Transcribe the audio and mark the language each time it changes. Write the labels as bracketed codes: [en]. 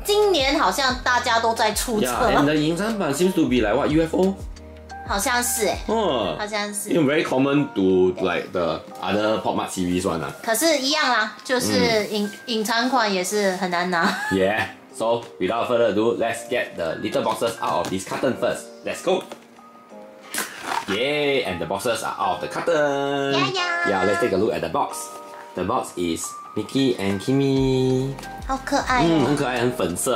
[zh] 都是车，我发现今年好像大家都在出车。 [en] Yeah, and the inside part seems to be like what UFO? [zh] 好像是。因为 [en] very common to like the other pop mart series one. [zh] 可是一样啦，就是隐藏款也是很难拿。 [en] Yeah, so without further ado, let's get the little boxes out of this carton first. Let's go. Yeah, and the boxes are out of the carton. Yeah, yeah. Yeah, let's take a look at the box. The box is Miki and Kimmy. [zh] 好可爱，很可爱，很粉色。